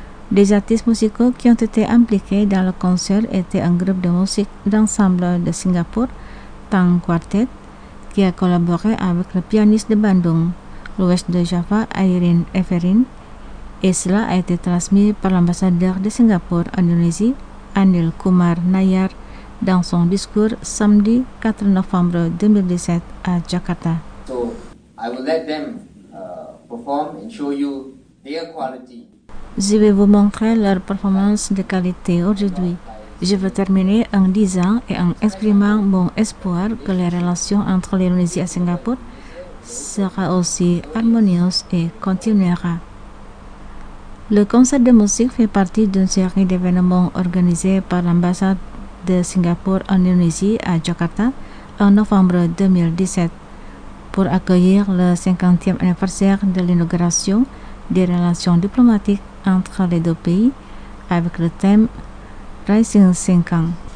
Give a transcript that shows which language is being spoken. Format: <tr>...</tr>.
<fr>Des artistes musicaux qui ont été impliqués dans le concert étaient un groupe de musique d'ensemble de Singapour, Tang Quartet, qui a collaboré avec le pianiste de Bandung, Louis de Java, Airin Eferin, et cela a été transmis par l'ambassadeur de Singapour en Indonésie, Anil Kumar Nayar, dans son discours samedi 4 novembre 2017 à Jakarta.</fr> <en>So, I will let them perform and show you their quality.</en> <fr>Je vais vous montrer leur performance de qualité aujourd'hui. Je veux terminer en disant et en exprimant mon espoir que les relations entre l'Indonésie et Singapour sera aussi harmonieuse et continuera. Le concert de musique fait partie d'une série d'événements organisés par l'ambassade de Singapour en Indonésie à Jakarta en novembre 2017 pour accueillir le 50e anniversaire de l'inauguration des relations diplomatiques entre les deux pays avec le thème Rising 5 ans.</fr>